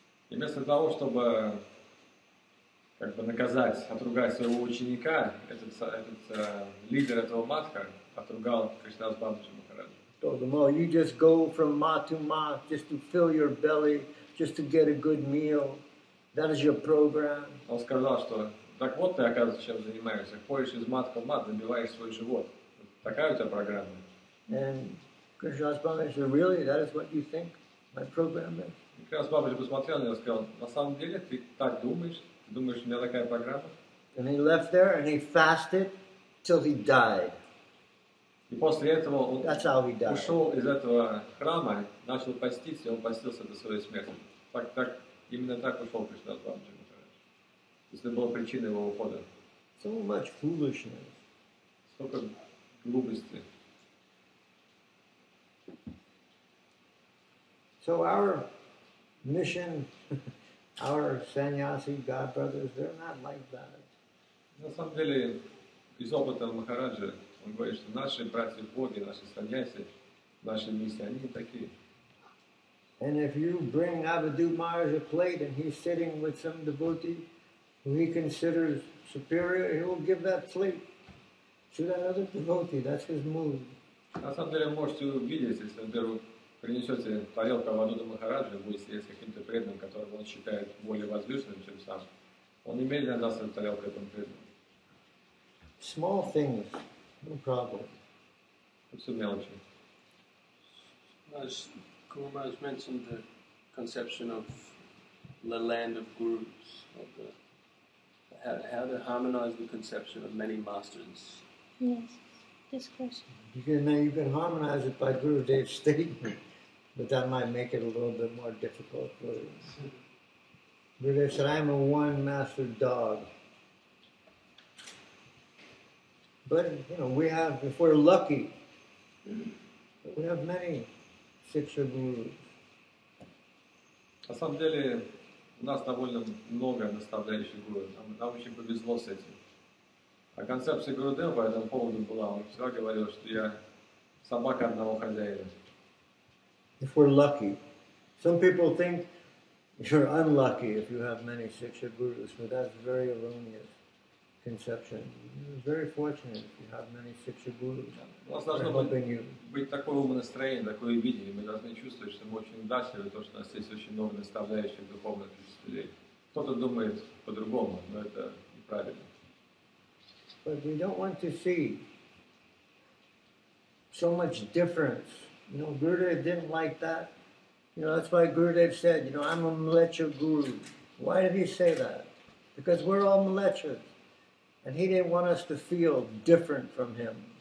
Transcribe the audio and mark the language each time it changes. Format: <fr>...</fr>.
<ru>И вместо того, чтобы как бы наказать, отругать своего ученика, этот лидер этого матха отругал Кришнадас Бабаджи Махарадж.</ru> <en>Told him, oh, you just go from mat to mat just to fill your belly, just to get a good meal. That is your program.</en> <ru>Он сказал, что так вот ты, оказывается, чем занимаешься. Ходишь из матка в мат, набиваешь свой живот. Такая у тебя программа.</ru> <en>And Krishna Babaji, really, that is what you think my program is?</en> <ru>Krishna Babaji посмотрел на него и сказал, на самом деле, ты так думаешь? Ты думаешь, у меня такая программа?</ru> <en>And he left there and he fasted till he died.</en> <ru>И после этого он</ru> <en>That's how he died.</en> <ru>Ушел из этого храма, начал поститься, и он постился до своей смерти. Так, так, именно так ушел Кришна Бабаджи. Это была причина его ухода.</ru> <en>So much foolishness.</en> <ru>Столько глупости.</ru> <en>So our mission, our sannyasi god brothers, they're not like that.</en> <ru>На самом деле, из опыта Махараджа, он говорит, что наши братья в Боге, наши саньяси, наши миссии, они такие.</ru> <en>And if you bring Abhidhu Maharaj a plate and he's sitting with some devotee who he considers superior, he will give that plate to that other devotee. That's his mood.</en> <ru>На самом деле, можете увидеть, если вы принесете тарелку Абхадуду Махараджу, будете сидеть с каким-то преданным, которого он считает более возвышенным, чем сам, он немедленно даст эту тарелку этому преданному.</ru> <en>Small things. No problem.</en> <ru>Это все мелочи.</ru> <en>As Guru Maharaj mentioned, the conception of the land of gurus, of the, how to harmonize the conception of many masters. Yes, this question. You can harmonize it by Gurudev's statement, but that might make it a little bit more difficult for you. Gurudev said, I am a one master dog. But, you know, if we're lucky, we have many Siksha Gurus.</en> <ru>На самом деле, у нас довольно много наставляющих гуру. Нам очень повезло с этим. А концепция Гурудева по этому поводу была, он всегда говорил, что я собака одного хозяина.</ru> <en>If we're lucky. Some people think you're unlucky if you have many Siksha Gurus, but that's very erroneous. Conception. You're very fortunate if you have many Siksha Gurus.</en> <ru>У нас должно быть такое умонастроение, такое видение. Мы должны чувствовать, что мы очень удачливы, потому что у нас есть очень много наставляющих духовных учителей. Кто-то думает по-другому, но это неправильно.</ru> <en>But we don't want to see so much difference. You know, Gurudev didn't like that. You know, that's why Gurudev said, you know, I'm a Mlecha Guru. Why did he say that? Because we're all Mlechas. And he didn't want us to feel different from him.</en>